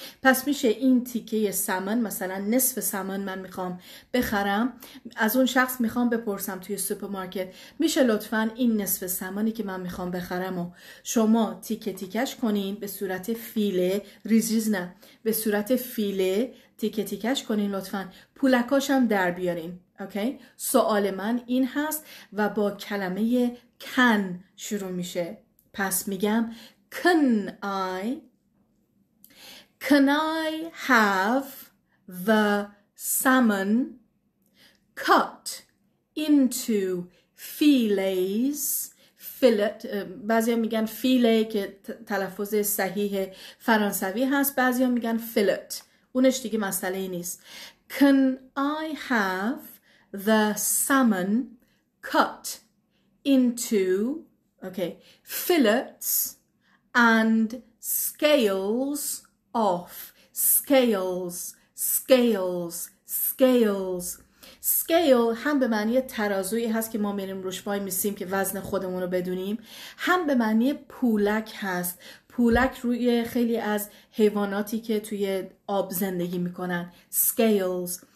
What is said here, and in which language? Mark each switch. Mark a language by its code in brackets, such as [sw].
[fa] پس میشه این تیکه سالمون، مثلا نصف سالمون من میخوام بخرم، از اون شخص میخوام بپرسم توی سوپرمارکت، میشه لطفاً این نصف سالمونی که من میخوام بخرم و شما تیکه تیکش کنین به صورت فیله، ریز ریز نه، به صورت فیله تیکه تیکش کنین لطفاً، پولکاش هم در بیارین. اوکی؟ سوال من این هست و با کلمه can شروع میشه. پس میگم [en] Can I have the salmon cut into fillets? [fa] بعضیا میگن فیله که تلفظ صحیح فرانسوی هست، بعضیا میگن fillet، اونش دیگه مسئله نیست. [en] Can I have the salmon cut into, okay, fillets and scales off? Scales, scales, scales. [fa] Scale هم به معنی ترازویی هست که ما میریم روش وای میسیم که وزن خودمون رو بدونیم، هم به معنی پولک هست. پولک روی خیلی از حیواناتی که توی آب زندگی میکنن، scales.